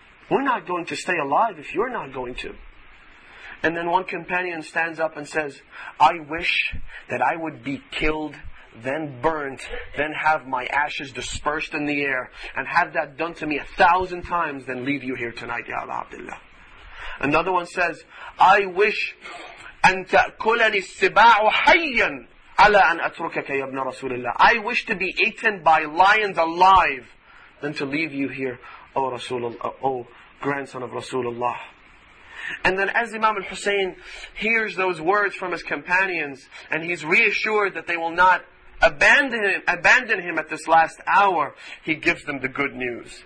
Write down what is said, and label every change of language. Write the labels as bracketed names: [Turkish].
[English] We're not going to stay alive if you're not going to. And then one companion stands up and says, I wish that I would be killed, then burnt, then have my ashes dispersed in the air, and have that done to me 1,000 times, then leave you here tonight, Ya Abdullah. Another one says, I wish [Arabic] أن تأكلني السباع حيا على أن أتركك يا ابن رسول الله. [English] I wish to be eaten by lions alive than to leave you here, O رسول الله, O grandson of Rasulullah. And then as Imam al-Hussein hears those words from his companions, and he's reassured that they will not abandon him at this last hour, he gives them the good news.